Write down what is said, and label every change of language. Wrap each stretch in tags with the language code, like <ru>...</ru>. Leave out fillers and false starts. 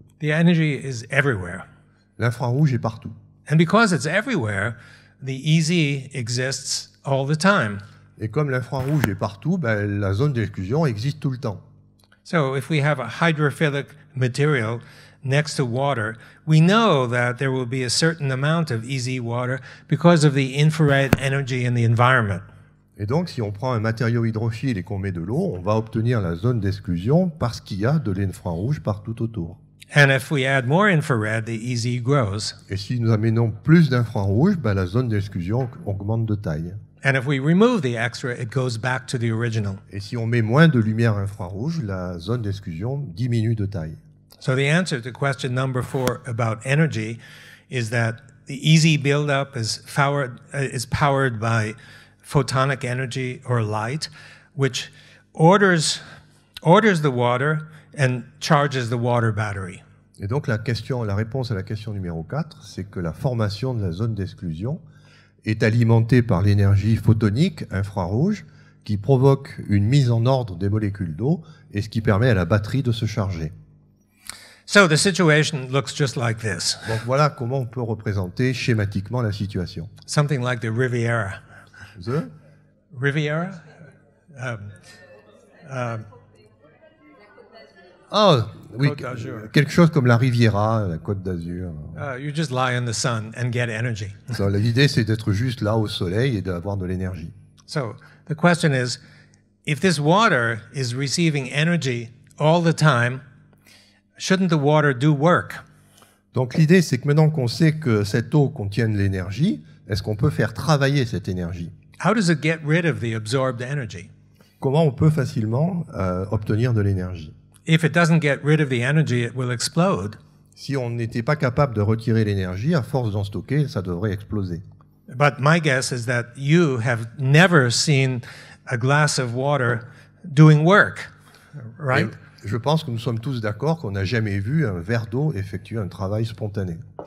<en>The energy is everywhere.</en> <fr>L'infrarouge est partout.</fr> <en>And because it's everywhere, the EZ exists all the time.</en> <fr>Et comme l'infrarouge est partout, ben, la zone d'exclusion existe tout le temps.</fr> <en>So if we have a hydrophilic material next to water, we know that there will be a certain amount of EZ water because of the infrared energy in the environment.</en> <fr>Et donc, si on prend un matériau hydrophile et qu'on met de l'eau, on va obtenir la zone d'exclusion parce qu'il y a de l'infrarouge partout autour.</fr> <en>And if we add more infrared, the EZ grows.</en> <fr>Et si nous amenons plus d'infrarouge, ben, la zone d'exclusion augmente de taille.</fr> <en>And if we remove the extra, it goes back to the original.</en> <fr>Et si on met moins de lumière infrarouge, la zone d'exclusion diminue de taille.</fr> <en>So the answer to question number 4 about energy is that the EZ buildup is powered by photonic energy or light, which orders the water and charges the water battery.</en> <fr>Et donc la réponse à la question numéro 4, c'est que la formation de la zone d'exclusion est alimentée par l'énergie photonique infrarouge qui provoque une mise en ordre des molécules d'eau et ce qui permet à la batterie de se charger.</fr> <en>So the situation looks just like this.</en> <fr>Donc voilà comment on peut représenter schématiquement la situation.</fr> <en>Something like the Riviera. The Riviera?</en> <fr>Oh, oui, quelque chose comme la Riviera, la Côte d'Azur.</fr> <en>You just lie in the sun and get energy.</en> <fr>Donc, l'idée, c'est d'être juste là au soleil et d'avoir de l'énergie.</fr> <en>So, the question is, if this water is receiving energy all the time, shouldn't the water do work?</en> <fr>Donc, l'idée, c'est que maintenant qu'on sait que cette eau contient de l'énergie, est-ce qu'on peut faire travailler cette énergie?</fr> <en>How does it get rid of the absorbed energy?</en> <fr>Comment on peut facilement obtenir de l'énergie?</fr> <en>If it doesn't get rid of the energy, it will explode.</en> <fr>Si on n'était pas capable de retirer l'énergie, à force d'en stocker, ça devrait exploser.</fr> <en>But my guess is that you have never seen a glass of water doing work, right?</en> <fr>Et je pense que nous sommes tous d'accord qu'on n'a jamais vu un verre d'eau effectuer un travail spontané.</fr>